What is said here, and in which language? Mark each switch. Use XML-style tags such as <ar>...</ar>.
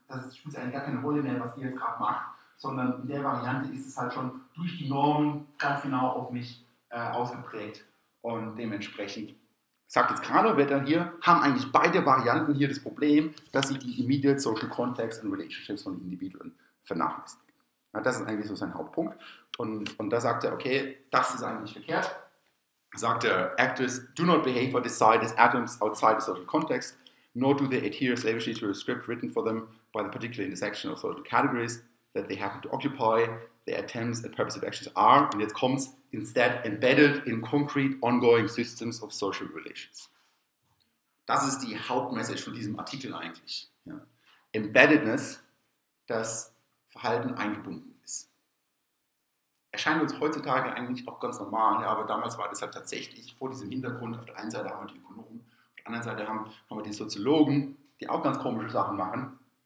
<de>Das spielt eigentlich gar keine Rolle mehr, was ihr jetzt gerade macht, sondern in der Variante ist es halt schon durch die Normen ganz genau auf mich ausgeprägt. Und dementsprechend sagt jetzt gerade, wer dann hier, haben eigentlich beide Varianten hier das Problem, dass sie die</de> <en>immediate social context and relationships</en> <de>von Individuen vernachlässigen. Ja, das ist eigentlich so sein Hauptpunkt. Und da sagt er, okay, das ist eigentlich verkehrt.</de> <en>Sagt er, actors do not behave or decide as atoms outside the social context, nor do they adhere slavishly to a script written for them by the particular intersection of social categories that they happen to occupy. Their attempts and purposes of actions are, and it comes, instead embedded in concrete ongoing systems of social relations.</en> <de>Das ist die Hauptmessage von diesem Artikel eigentlich. Ja. Embeddedness, dass Verhalten eingebunden ist. Erscheint uns heutzutage eigentlich auch ganz normal, ja, aber damals war das halt tatsächlich vor diesem Hintergrund. Auf der einen Seite haben wir die Ökonomen, auf der anderen Seite haben wir die Soziologen, die auch ganz komische Sachen machen.</de>